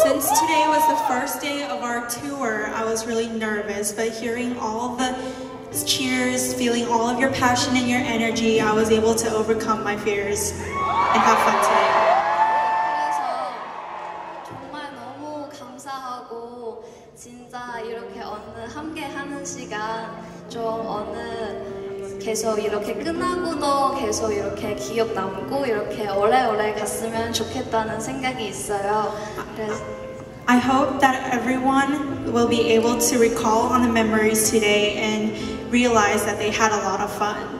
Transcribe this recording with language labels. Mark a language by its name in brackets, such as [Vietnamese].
[English] Since today was the first day of our tour, I was really nervous, but hearing all the cheers, feeling all of your passion and your energy, I was able to overcome my fears and have fun today. [Korean] 그래서 정말 너무 감사하고 진짜 이렇게 어느 함께 하는 시간 좀 어느 계속 이렇게 끝나고도 계속 이렇게 기억 남고 이렇게 오래오래 갔으면 좋겠다는 생각이 있어요. 그래서 [English] I hope that everyone will be able to recall on the memories today and realize that they had a lot of fun.